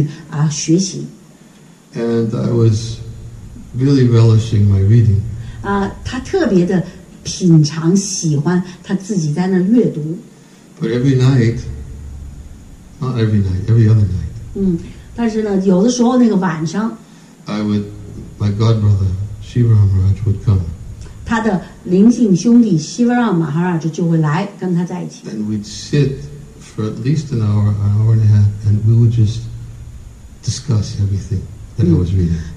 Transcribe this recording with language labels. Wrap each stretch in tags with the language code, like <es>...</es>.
<zh>所以呢，他需要有一些个时间，让自己独处，让自己能够更深入的往内在的去学习。And</zh> <en>I was really relishing my reading.</en> <zh>他特别的品尝，喜欢他自己在那阅读。But</zh> <en>every night, not every night, every other night.</en> <zh>但是呢，有的时候那个晚上</zh> <en>，I would my godbrother Shiva Maharaj would come.</en> <zh>他的灵性兄弟希瓦拉马哈拉就会来跟他在一起。And</zh> <en>we'd sit for at least an hour, an hour and a half, and we would just discuss everything that I was reading.</en>